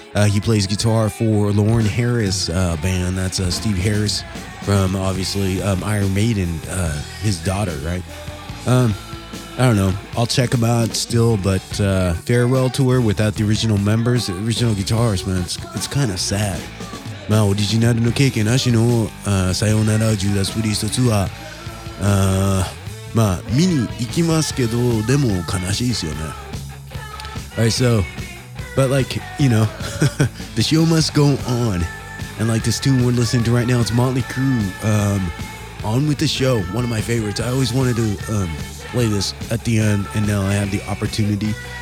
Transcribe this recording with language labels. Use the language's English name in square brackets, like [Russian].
[English] He plays guitar for Lauren Harris band. That's Steve Harris from, obviously, Iron Maiden, his daughter, right? I don't know. I'll check him out still, but farewell tour without the original members, the original guitarist, man. It's kind of sad. [Japanese] まあ、オリジナルの経験なしのさようならジューダス・プリストツアー、まあ、見に行きますけど、でも悲しいですよね。 [English] Alright, so, but like, you know, the show must go on. And like this tune we're listening to right now, it's Motley Crue, On With The Show, one of my favorites. I always wanted to play this at the end, and now I have the opportunity.